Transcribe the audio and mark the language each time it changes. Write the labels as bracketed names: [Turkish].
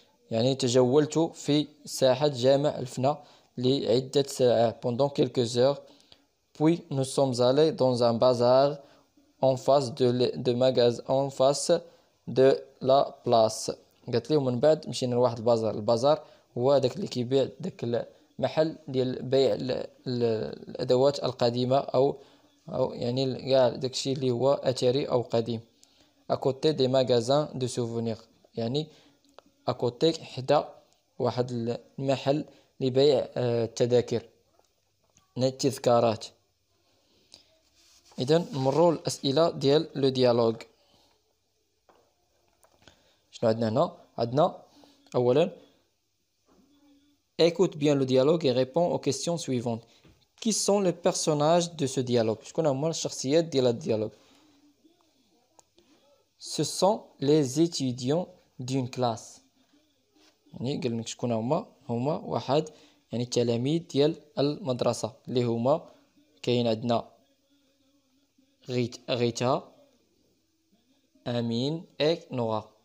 [Arabic] يعني تجولت في ساحة جامع الفناء لعدة ساعات [French] pendant quelques heures. Puis nous sommes allés dans un bazar en face de magasin en face de la place. [Arabic] قالت لي ومن بعد مشينا لواحد البازار. البازار هو داك اللي كيبيع داك المحل ديال بيع الأدوات القديمة أو يعني كاع داكشي اللي هو أثري أو قديم. [French] À côté des magasins de souvenirs, [Arabic] يعني [French] à côté [Arabic] حدا واحد المحل لبيع التذاكر التذكارات. إذن نمروا الأسئلة ديال لو ديالوغ. شنو عندنا هنا؟ عندنا أولا [French] écoute bien le dialogue et réponds aux questions suivantes. Qui sont les personnages de ce dialogue? Je connais moi la personnalité de la dialogue. Ce sont les étudiants d'une classe. [Arabic] يعني قال لك شكون هما؟ هما واحد يعني التلاميذ ديال المدرسة اللي هما كاين عندنا غيتا أمين اي نورا.